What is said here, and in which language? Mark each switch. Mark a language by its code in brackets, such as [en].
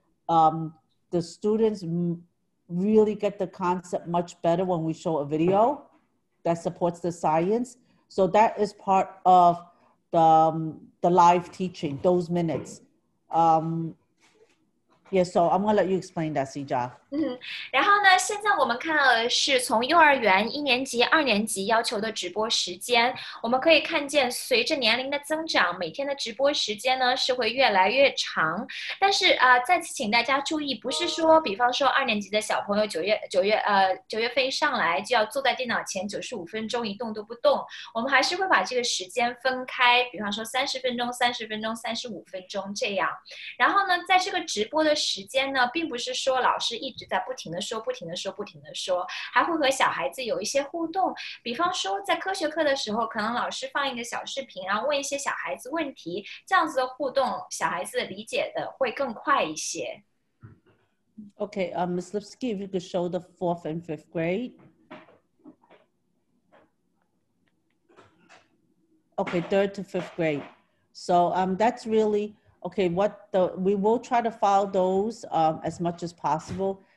[en] The students really get the concept much better when we show a video that supports the science. So that is part of the live teaching, those minutes. Yes, so I'm gonna let you explain that, Sijia. [zh] 然后呢，现在我们看到的是，从幼儿园一年级、二年级要求的直播时间，我们可以看见，随着年龄的增长，每天的直播时间呢是会越来越长。但是再次请大家注意，不是说，比方说二年级的小朋友九月份一上来就要坐在电脑前95分钟一动都不动，我们还是会把这个时间分开，比方说30分钟、30分钟、35分钟这样。然后呢，在这个直播的时间呢，并不是说老师一直 在不停的说，不停的说，不停的说，还会和小孩子有一些互动。比方说，在科学课的时候，可能老师放一个小视频，然后问一些小孩子问题，这样子的互动，小孩子理解的会更快一些。 [en] Okay, Ms. Lipsky, if you could show the fourth and fifth grade. Okay, third to fifth grade. So that's really okay. We will try to follow those as much as possible.